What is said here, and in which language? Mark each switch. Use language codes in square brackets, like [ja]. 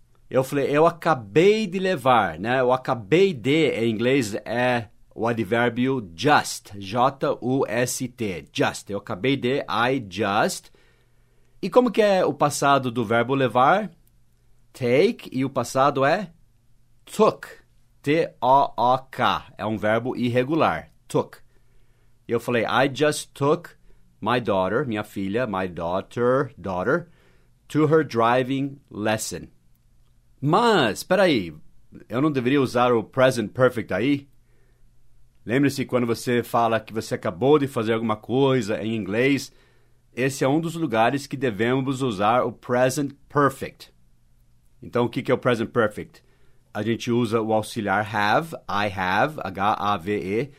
[pt] Eu falei, eu acabei de levar, né? O acabei de, em inglês, é o advérbio just, J-U-S-T, just. Eu acabei de, [en] I just. [pt] E como que é o passado do verbo levar? Take, e o passado é took, T-O-O-K, é um verbo irregular, took. E eu falei, [en] I just took my daughter, [pt] minha filha, my daughter, daughter, [en] to her driving lesson. [pt] Mas, espera aí, eu não deveria usar o present perfect aí? Lembre-se quando você fala que você acabou de fazer alguma coisa em inglês, esse é um dos lugares que devemos usar o present perfect. Então, o que é o present perfect? A gente usa o auxiliar have, [en] I have, [pt] H-A-V-E.